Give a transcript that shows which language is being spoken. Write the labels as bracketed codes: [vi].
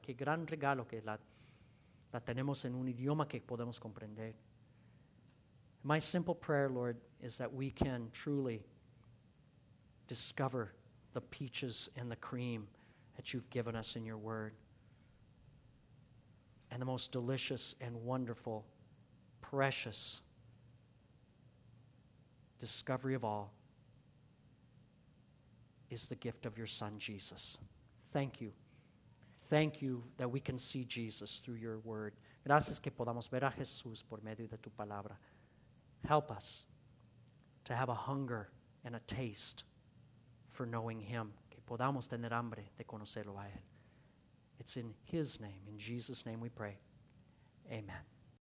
[es] Qué gran regalo que la tenemos en un idioma que podemos comprender. [en] My simple prayer, Lord, is that we can truly discover the peaches and the cream that you've given us in your word. And the most delicious and wonderful, precious discovery of all is the gift of your Son, Jesus. Thank you. Thank you that we can see Jesus through your word. [es] Gracias que podamos ver a Jesús por medio de tu palabra. [en] Help us to have a hunger and a taste for knowing him. [es] Que podamos tener hambre de conocerlo a él. [en] It's in his name, in Jesus' name we pray. Amen.